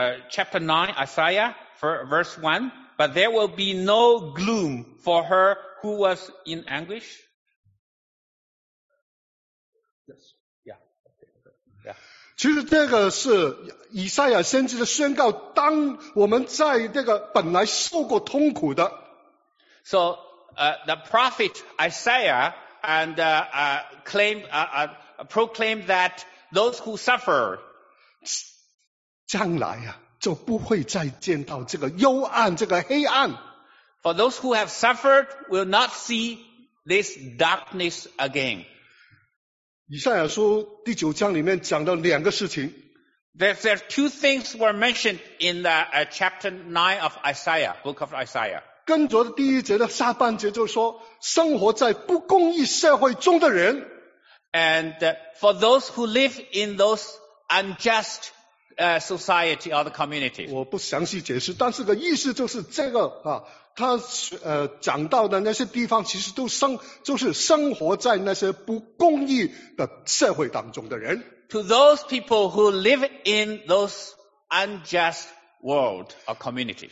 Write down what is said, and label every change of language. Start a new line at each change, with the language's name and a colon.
English: Chapter 9, Isaiah, verse 1, but there will be no gloom for her who was in anguish. Yes, yeah, okay, yeah.
Chinese: 其实这个是以赛亚先知的宣告，当我们在这个本来受过痛苦的。
English: So, the prophet Isaiah proclaimed that those who suffer,
Chinese: 将来啊，就不会再见到这个幽暗，这个黑暗。
English: For those who have suffered will not see this darkness again.
Chinese: 以赛亚书第九章里面讲到两个事情。
English: There are two things were mentioned in the chapter 9 of Isaiah, book of Isaiah.
Chinese: 跟着第一节的下半节就说，生活在不公义社会中的人。
English: And for those who live in those unjust society or the community.
Chinese: 我不详细解释，但是个意思就是这个啊。他讲到的那些地方其实都生活在那些不公义的社会当中的人。
English: To those people who live in those unjust world or community.